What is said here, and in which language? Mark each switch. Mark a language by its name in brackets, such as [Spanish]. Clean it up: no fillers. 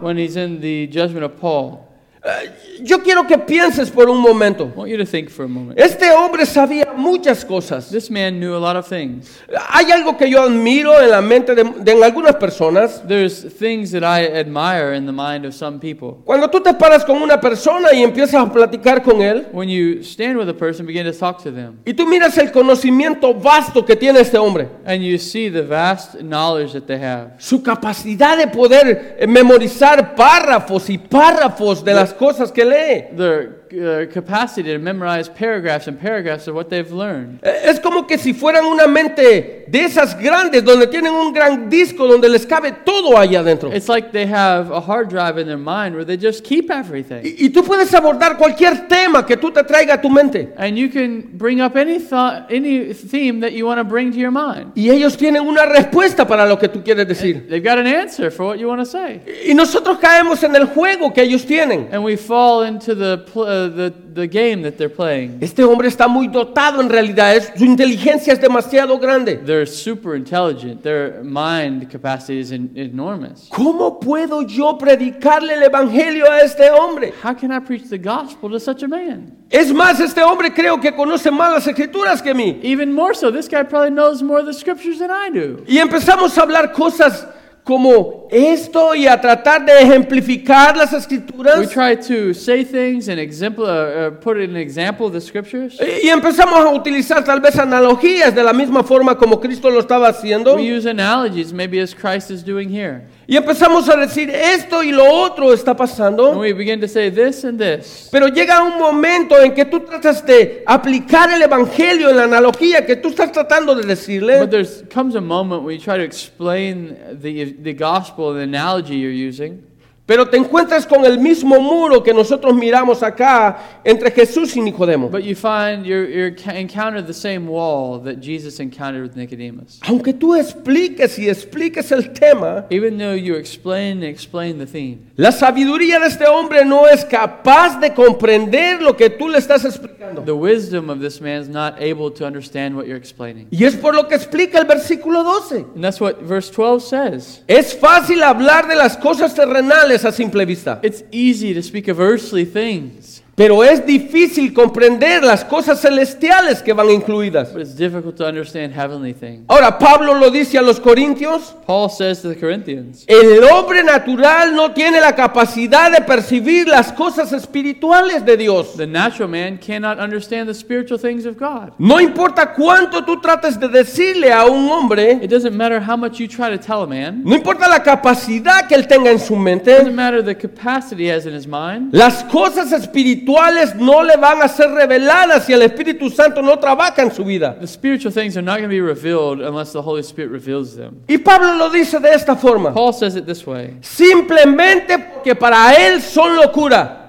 [English] When he's in the judgment of Paul. [Spanish] Yo quiero que pienses por un momento. [English] I want you to think for a moment. [Spanish] Este hombre sabía muchas cosas. [English] This man knew a lot of things. [Spanish] Hay algo que yo admiro en la mente de algunas personas. [English] There's things that I admire in the mind of some people. [Spanish] Cuando tú te paras con una persona y empiezas a platicar con él. [English] When you stand with a person, begin to talk to them. [Spanish] Y tú miras el conocimiento vasto que tiene este hombre. [English] And you see the vast knowledge that they have. [Spanish] Su capacidad de poder memorizar párrafos y párrafos de las cosas que lee. [English] Their capacity to memorize paragraphs and paragraphs of what they've learned. [Spanish] Es como que si fueran una mente de esas grandes donde tienen un gran disco donde les cabe todo allá adentro. [English] It's like they have a hard drive in their mind where they just keep everything. [Spanish] Y tú puedes abordar cualquier tema que tú te traiga a tu mente. [English] And you can bring up any thought, any theme that you want to bring to your mind. [Spanish] Y ellos tienen una respuesta para lo que tú quieres decir. [English] They've got an answer for what you want to say. [Spanish] Y nosotros caemos en el juego que ellos tienen. [English] And we fall into the game that they're playing. [Spanish] Este hombre está muy dotado en realidad. Su inteligencia es demasiado grande. [English] They're super intelligent. Their mind capacity is enormous. [Spanish] ¿Cómo puedo yo predicarle el evangelio a este hombre? [English] How can I preach the gospel to such a man? [Spanish] Es más, este hombre creo que conoce más las escrituras que mí. [English] Even more so, this guy probably knows more of the scriptures than I do. [Spanish] Y empezamos a hablar cosas como esto y a tratar de ejemplificar las escrituras. [English] We try to say things and put an example of the scriptures. [Spanish] Y empezamos a utilizar tal vez analogías de la misma forma como Cristo lo estaba haciendo. [English] We use analogies maybe as Christ is doing here. [Spanish] Y empezamos a decir esto y lo otro está pasando. [English] And we begin to say this and this. [Spanish] Pero llega un momento en que tú tratas de aplicar el evangelio en la analogía que tú estás tratando de decirle. [English] But there comes a moment when you try to explain the gospel, the analogy you're using. [Spanish] Pero te encuentras con el mismo muro que nosotros miramos acá entre Jesús y Nicodemo. [English] But you find you encounter the same wall that Jesus encountered with Nicodemus. [Spanish] Aunque tú expliques y expliques el tema, [English] even though you explain and explain the theme, [Spanish] la sabiduría de este hombre no es capaz de comprender lo que tú le estás explicando. [English] The wisdom of this man is not able to understand what you're explaining. [Spanish] Y es por lo que explica el versículo 12. [English] And that's what verse 12 says. [Spanish] Es fácil hablar de las cosas terrenales. [English] It's easy to speak of earthly things. [Spanish] Pero es difícil comprender las cosas celestiales que van incluidas. [English] But it's difficult to understand heavenly things. [Spanish] Ahora, Pablo lo dice a los Corintios. [English] Paul says to the Corinthians. [Spanish] El hombre natural no tiene la capacidad de percibir las cosas espirituales de Dios. [English] The natural man cannot understand the spiritual things of God. [Spanish] No importa cuánto tú trates de decirle a un hombre. [English] It doesn't matter how much you try to tell a man. [Spanish] No importa la capacidad que él tenga en su mente. [English] It doesn't matter the capacity he has in his mind. [Spanish] Las cosas espirituales no le van a ser reveladas si el Espíritu Santo no trabaja en su vida. [English] The spiritual things are not going to be revealed unless the Holy Spirit reveals them. [Spanish] Y Pablo lo dice de esta forma. [English] Paul says it this way. [Spanish] Simplemente porque para él son locura.